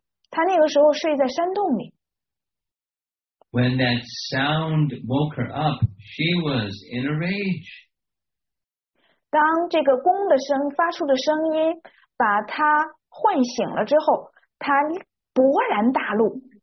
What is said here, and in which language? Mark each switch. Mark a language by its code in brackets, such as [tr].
[zh] 她那个时候睡在山洞里。 [en] When that sound woke her up, she was in a rage. [zh] 当这个弓的声发出的声音把她唤醒了之后，她勃然大怒。